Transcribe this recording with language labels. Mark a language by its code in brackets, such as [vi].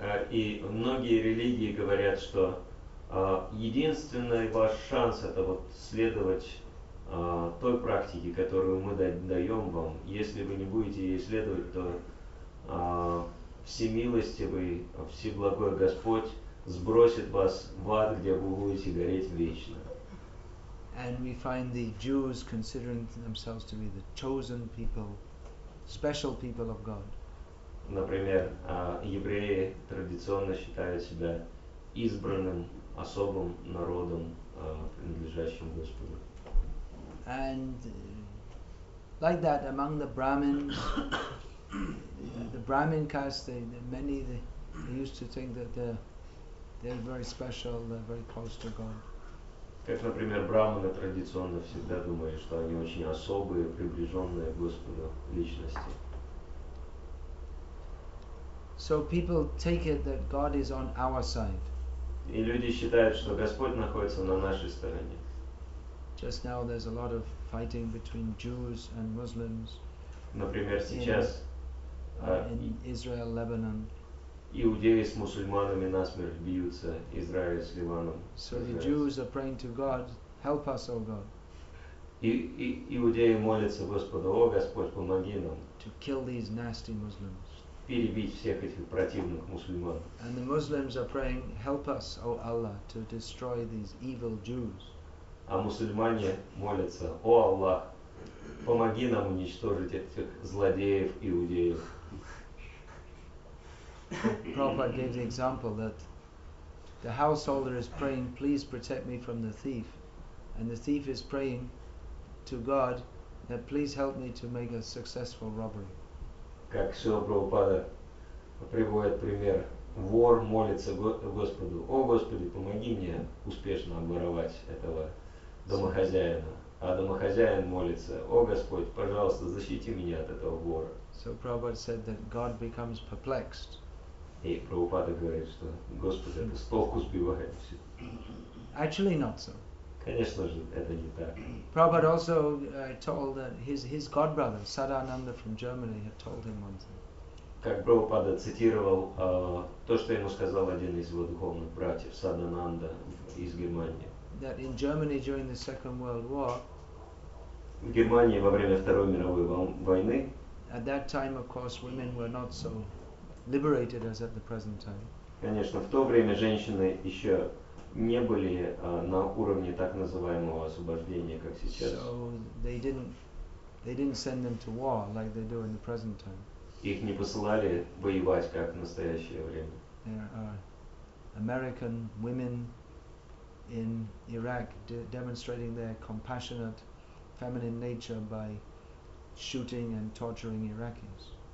[ru] И многие религии говорят, что единственный ваш шанс это вот следовать той практике, которую мы даем вам. Если вы не будете ей следовать, то всемилостивый, всеблагой Господь сбросит вас в ад, где вы будете гореть вечно. [en] And we find the Jews considering themselves to be the chosen people special people of God. [ru] Например, евреи традиционно считают себя избранным особым народом, принадлежащим Господу. [en] And like that, among the Brahmins, the Brahmin caste, they used to think that they're very special, they're very close to God. [ru] Как, например, брахманы традиционно всегда думают, что они очень особые, приближенные к Господу личности. [en] So people take it that God is on our side. [ru] И люди считают, что Господь находится на нашей стороне. [en] Just now there's a lot of fighting between Jews and Muslims. [ru] Например, сейчас [en] in Israel, Lebanon. [ru] Иудеи с мусульманами насмерть бьются, Израиль с Ливаном. [en] So the Jews are praying to God, help us, O God. [ru] Иудеи молятся Господу: О Господь, помоги нам. [en] To kill these nasty Muslims. [ru] Перебить всех этих противных мусульман. [en] And the Muslims are praying, help us, O Allah, to destroy these evil Jews. [ru] А мусульмане молятся: О Аллах, помоги нам уничтожить этих злодеев иудеев. [en] Prabhupada gave the example that the householder is praying, please protect me from the thief. And the thief is praying to God that please help me to make a successful robbery. [ru] Как Шрила Прабхупада приводит пример, вор молится Господу: О Господи, помоги мне успешно обворовать этого домохозяина. А домохозяин молится: О Господь, пожалуйста, защити меня от этого вора. [en] So Prabhupada said that God becomes perplexed. [ru] И Прабхупада говорит, что Господь это с толку сбивает все. [en] Actually not so. [ru] Конечно же, это не так. [en] Prabhupada also told that his godbrother, Sadananda from Germany, had told him one thing. [ru] Как Прабхупада цитировал то, что ему сказал один из его духовных братьев, Садананда из Германии. [en] That in Germany during the Second World War, [ru] в Германии во время Второй мировой войны, [en] at that time, of course, women were not so liberated as at the present time. [ru] Конечно, в то время женщины еще не были на уровне так называемого освобождения, как сейчас. [en] So they didn't send them to war like they do in the present time. [ru] Их не посылали воевать, как в настоящее время. [en] There are American women in Iraq demonstrating their compassionate feminine nature by shooting and torturing Iraqis.